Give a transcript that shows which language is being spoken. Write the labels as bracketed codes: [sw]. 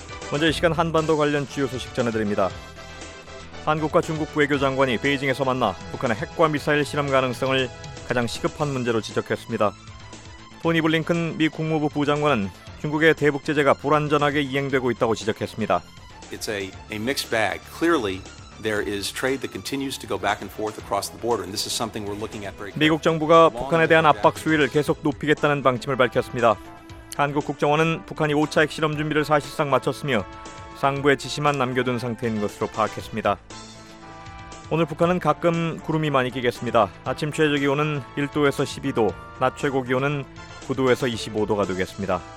[ko] 먼저 이 시간 한반도 관련 주요 소식 전해드립니다. 한국과 중국 외교장관이 베이징에서 만나 북한의 핵과 미사일 실험 가능성을 가장 시급한 문제로 지적했습니다. 토니 블링컨 미 국무부 부장관은 중국의 대북 제재가 불완전하게 이행되고 있다고 지적했습니다. [en] It's a mixed bag. Clearly there is trade that continues to go back and forth across the border and this is something we're looking at. [ko] 미국 정부가 북한에 대한 압박 수위를 계속 높이겠다는 방침을 밝혔습니다. 한국 국정원은 북한이 5차 핵실험 준비를 사실상 마쳤으며 상부의 지시만 남겨둔 상태인 것으로 파악했습니다. 오늘 북한은 가끔 구름이 많이 끼겠습니다. 아침 최저 기온은 1도에서 12도, 낮 최고 기온은 9도에서 25도가 되겠습니다.